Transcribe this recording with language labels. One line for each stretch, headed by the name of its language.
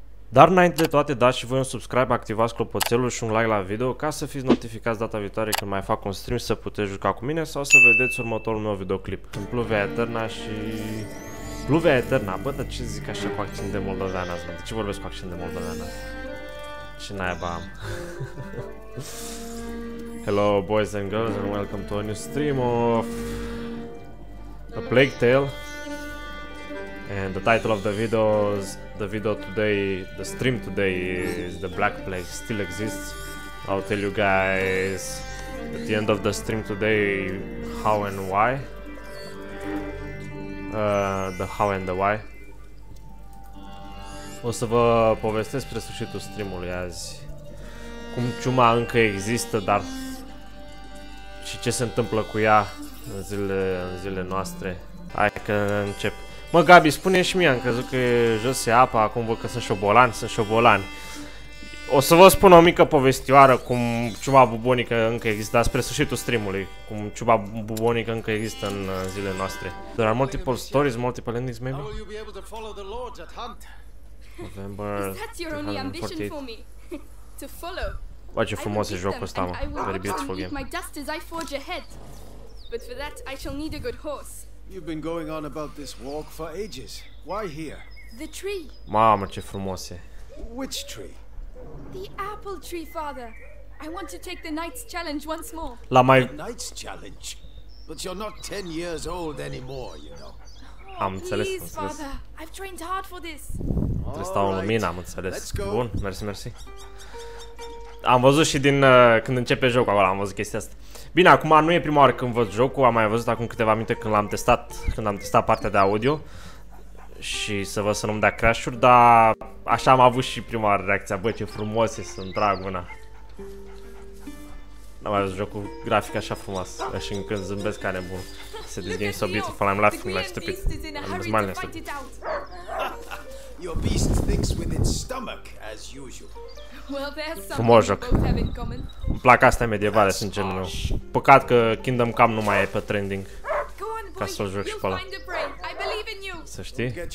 Romanian: Dar înainte de toate, dați și voi un subscribe, activați clopoțelul și un like la video ca să fiți notificați data viitoare când mai fac un stream să puteți juca cu mine sau să vedeți următorul meu videoclip. În Pluvia Eterna și... Pluvia Eterna, bă, dar ce zic așa cu accent de moldoveană azi, de ce vorbesc cu accent de moldoveană? Ce naiba am?
English: Hello, boys and girls, and welcome to a new stream of... A Plague Tale. And the title of the video is... The video today... The stream today is... The Black Plague still exists. I'll tell you guys... At the end of the stream today... How and why. The how and the why.
Romanian: O să vă povestesc spre sfârșitul streamului azi. Cum ciuma încă există, dar... Și ce se întâmplă cu ea în zilele, în zilele noastre. Hai că încep. Mă, Gabi, spune și mie, am crezut că jos e apa, acum văd că sunt șobolan, sunt șobolan. O să vă spun o mică povestioară cum ciuma bubonică încă există, spre sfârșitul streamului, cum ciuma bubonică încă există în zilele noastre.
English: There are multiple stories, multiple endings, maybe? How will you be able to follow the Lords at hunt? November... Is that your only ambition for me? To follow?
Romanian: Bă, ce frumos e jocul ăsta, mă.
English: Very beautiful game. My dust as I forge ahead. But for that, I shall need a good horse. You've been going on about this walk for ages. Why here? The tree.
Romanian: Mamă, ce frumos e.
English: Which tree? The apple tree, father. I want to take the knight's challenge once more.
Romanian: La mai...
English: The knight's challenge? But you're not 10 years old anymore, you know.
Romanian: Oh, am înțeles,
English: please, father. I've trained hard for this.
Romanian: Trebuie să stau în lumină, am înțeles. Bun, mersi, mersi. Am văzut și din când începe jocul acolo, am văzut chestia asta. Bine, acum nu e prima oară când văd jocul, am mai văzut acum câteva minute când l-am testat, când am testat partea de audio. Și să văd să nu-mi dea crash-uri, dar așa am avut și prima oară reacția. Bă, ce frumos e, sunt draguna. N-am mai văzut jocul grafic așa frumos. Și încă când zâmbesc ca nebun.
English: Se dizgame so beautiful, I'm laughing like stupid. I'm smiling like stupid. Your beast thinks with its stomach, as usual. Well, there's something we both have in common.
Romanian: Îmi plac astea medievale, sunt genul meu. Păcat că Kingdom Come nu mai e pe trending. Ca să o joc și pe ăla. Să știi?